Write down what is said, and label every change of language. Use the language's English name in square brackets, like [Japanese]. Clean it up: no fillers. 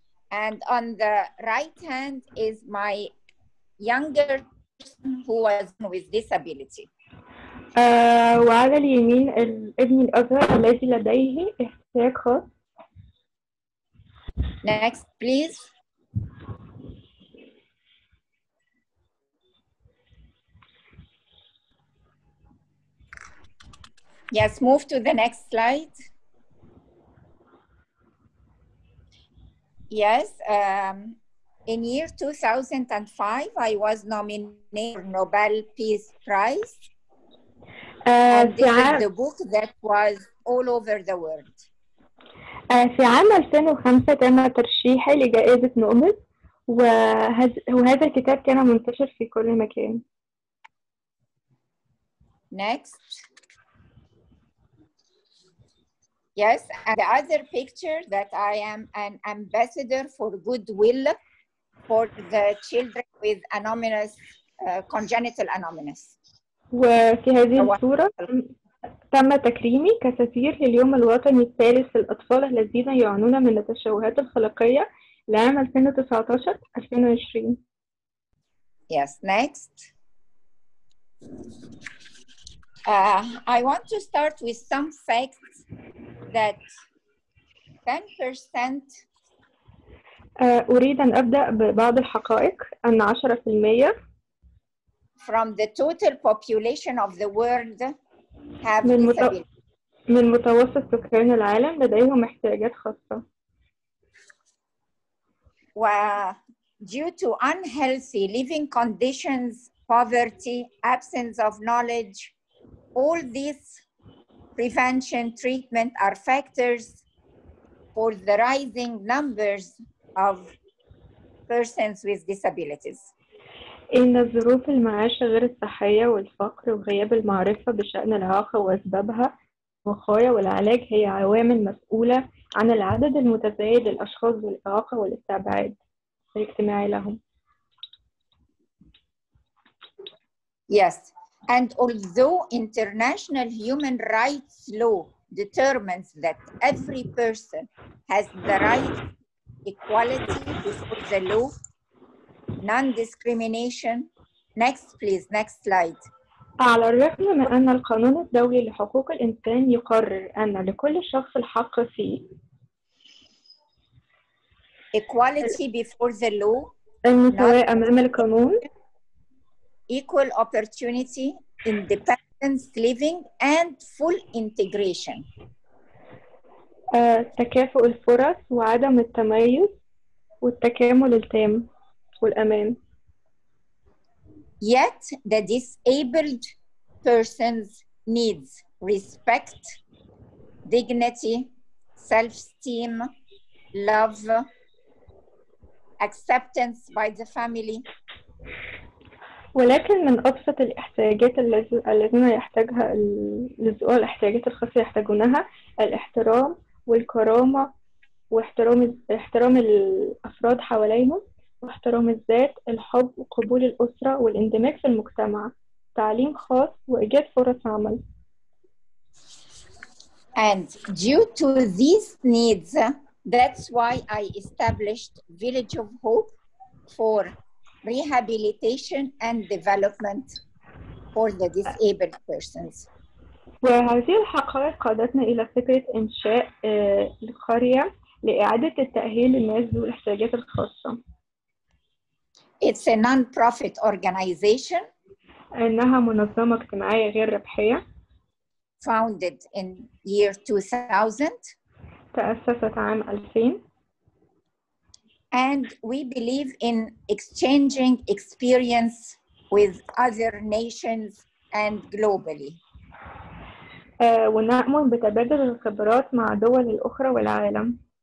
[English] And on the right hand is my younger son who was with disability. [Arabic] وعلى اليمين الابن الأصغر الذي لديه احتياج خاص. [English] Next, please. Yes, move to the next slide. Yes, in year 2005, I was nominated for Nobel Peace Prize. This is the book that was all over the world. [Arabic] في عام 2005 تم ترشيحي لجائزة نوبل, وهذا الكتاب كان منتشر في كل مكان. [English] Next. Yes, and the other picture that I am an ambassador for goodwill for the children with anomalous, congenital anomalous. [Arabic] وفي هذه الصورة تم تكريمي كسفير لليوم الوطني الثالث للأطفال الذين يعانون من التشوهات الخلقية لعام 2019-2020. [English] Yes, next. I want to start with some facts that 10%. [Arabic] أريد أن أبدأ ببعض الحقائق أن 10%. [English] From the total population of the world have [Arabic] من متوسط سكان العالم لديهم احتياجات خاصة. و [English] due to unhealthy living conditions, poverty, absence of knowledge, all these prevention, treatment are factors for the rising numbers of persons with disabilities. [Arabic] إن ظروف المعيشة غير الصحية والفقر وغياب المعرفة بشأن الإعاقة وأسبابها والوقاية والعلاج هي عوامل مسؤولة عن العدد المتزايد للأشخاص ذوي الإعاقة والاستبعاد الاجتماعي لهم. [English] Yes, and although international human rights law determines that every person has the right equality before the law, non-discrimination. Next, please. Next slide. [Arabic] على الرغم من أن القانون الدولي لحقوق الإنسان يقرر أن لكل شخص الحق في [English] equality before the law. [Arabic] المساواة أمام القانون. [English] Equal opportunity, independence, living, and full integration. [Arabic] تكافؤ الفرص وعدم التميز والتكامل التام. والأمان. [English] Yet the disabled person's needs respect, dignity, self-esteem, love, acceptance by the family. [Arabic] ولكن من أبسط الاحتياجات الذين يحتاجها الذوق الاحتياجات الخاصة يحتاجونها الاحترام والكرامة واحترام الأفراد حواليهم. واحترام الذات، الحب، وقبول الأسرة، والاندماج في المجتمع، تعليم خاص، وإيجاد فرص عمل. [English] And due to these needs, that's why I established Village of Hope for rehabilitation and development for the disabled persons. [Arabic] وهذه الحقائق قادتنا إلى فكرة إنشاء القرية لإعادة التأهيل للناس ذوي الاحتياجات الخاصة. [English] It's a non-profit organization. [Arabic] إنها منظمة اجتماعية غير ربحية. [English] Founded in year 2000. [Arabic] تأسست عام 2000. [English] And we believe in exchanging experience with other nations and globally. [Arabic] ونأمن بتبادل الخبرات مع دول الأخرى والعالم.